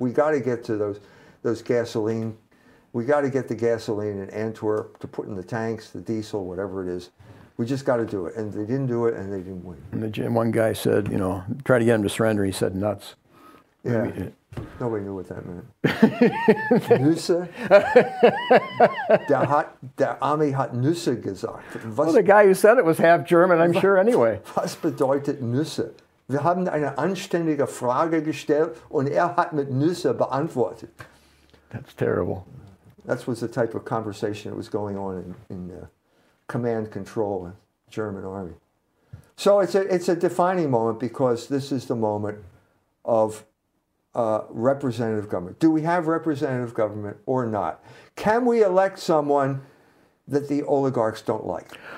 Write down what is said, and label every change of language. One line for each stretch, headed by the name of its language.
English: We got to get to those gasoline. We got to get the gasoline in Antwerp to put in the tanks, the diesel, whatever it is. We just got to do it. And they didn't do it and they didn't win. And one guy said, you know, try to get him to surrender. He said, nuts. Yeah. Nobody knew what that meant.
German: Nusa? Der Army hat Nusa gesagt.
English: Well, the guy who said it was half German, I'm sure, anyway.
German: Was bedeutet Nusa? Wir haben eine anständige Frage gestellt und hat mit Nusa beantwortet.
English: That's terrible. That was the type of conversation that was going on in the command control of the German army. So it's a defining moment because this is the moment of representative government. Do we have representative government or not? Can we elect someone that the oligarchs don't like?